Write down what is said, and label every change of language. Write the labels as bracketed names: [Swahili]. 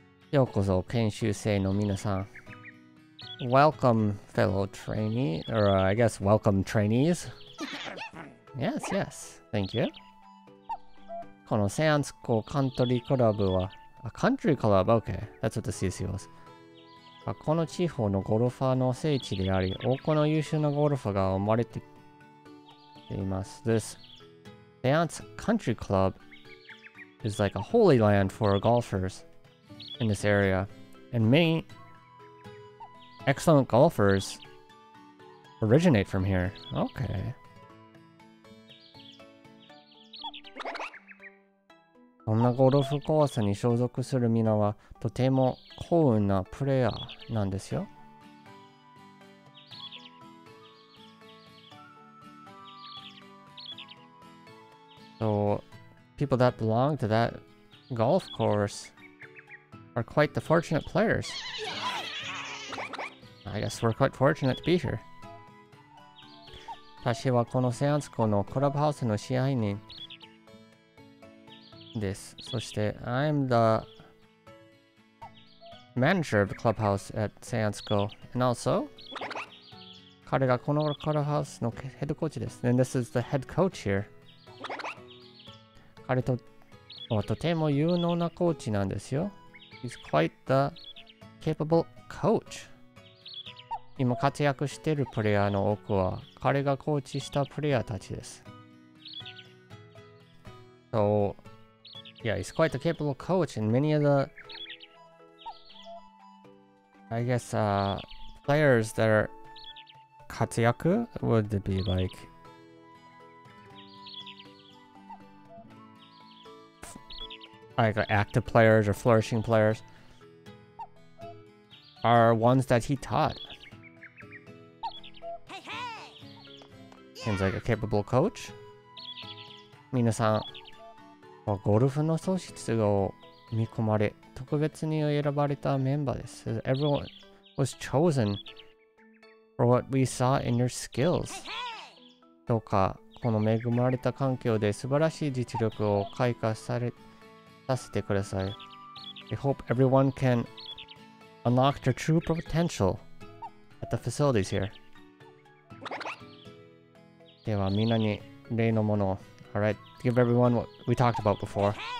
[Japanese] ようこそ研修生の皆さん。 [English] Welcome, fellow trainee, or I guess welcome trainees. Yes, yes, thank you. [Japanese] このセアンスコカントリークラブは、 [English] a country club, okay, that's what the CC was. [Japanese] この地方のゴルファーの聖地であり、多くの優秀なゴルファーが生まれています。 [English] This. Seance Country Club is like a holy land for golfers in this area. And many excellent golfers originate from here. Okay. [Japanese] そんなゴルフコースに所属するみんなはとても幸運なプレイヤーなんですよ。 [English] So, people that belong to that golf course are quite the fortunate players. I guess we're quite fortunate to be here. [Japanese] 私はこのセアンス校のクラブハウスの支配人です。そして、 [English] I'm the manager of the clubhouse at Seance School. And also, [Japanese] 彼がこのカラーハウスのヘッドコーチです。 [English] And this is the head coach here. [Japanese] 彼とはとても有能なコーチなんですよ。 [English] He's quite the capable coach. [Japanese] 今活躍しているプレイヤーの多くは彼がコーチしたプレイヤーたちです。 [English] So, yeah, he's quite the capable coach and many of the, I guess, players that are 活躍 would be like active players or flourishing players are ones that he taught. Seems like a capable coach. [Japanese] 皆さんはゴルフの素質を見込まれ特別に選ばれたメンバーです。 [English] Everyone was chosen. For what we saw in your skills. [Japanese] どうかこの恵まれた環境で素晴らしい実力を開花させてください。 [English] I hope everyone can unlock their true potential at the facilities here. [Japanese] ではみんなに例のものを。 [English] Alright, give everyone what we talked about before.